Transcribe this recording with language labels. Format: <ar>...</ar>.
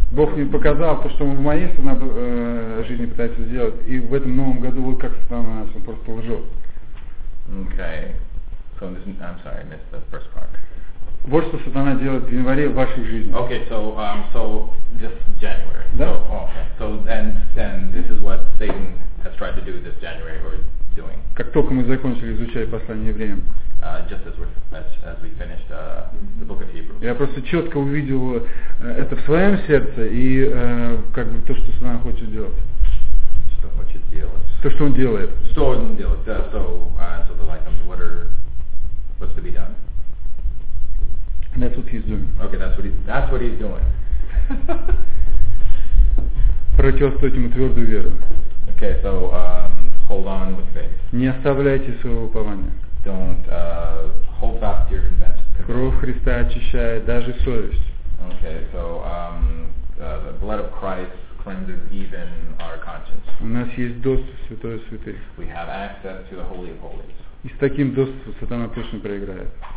<ru>Бог мне показал то, что он в моей жизни пытается сделать, и в этом новом году вот как сатана нас просто лжет.</ru> <en>Okay, so this, I'm sorry, I missed the first part.</en> <ru>Вот что сатана делает в январе в вашей жизни.</ru> <en>Okay, so just January.</en> <ru>Да.</ru> <en>So and this is what Satan has tried to do this January or is doing.</en> <ru>Как только мы закончили изучать послание евреям.</ru> <en>Just as we finished the book of Hebrews.</en> <ru>Я просто четко увидел это в своем сердце и как бы то, что сатана хочет делать. Что хочет делать? То, что он делает. Что он делает? Да.</ru> <en>So the light comes. What's to be done? And that's what he's doing. Okay, that's what he's doing.</en> <ru>Противостойте ему твердую веру.</ru> <en>Okay, so hold on with faith.</en> <ru>Не оставляйте своего упования.</ru> <en>Don't hold fast to your confession.</en> <ru>Кровь Христа очищает даже совесть.</ru> <en>Okay, so the blood of Christ cleanses even our conscience.</en> <ru>У нас есть доступ в святое святых.</ru> <en>We have access to the Holy of Holies.</en> <ru>И с таким доступом сатана точно проиграет.</ru>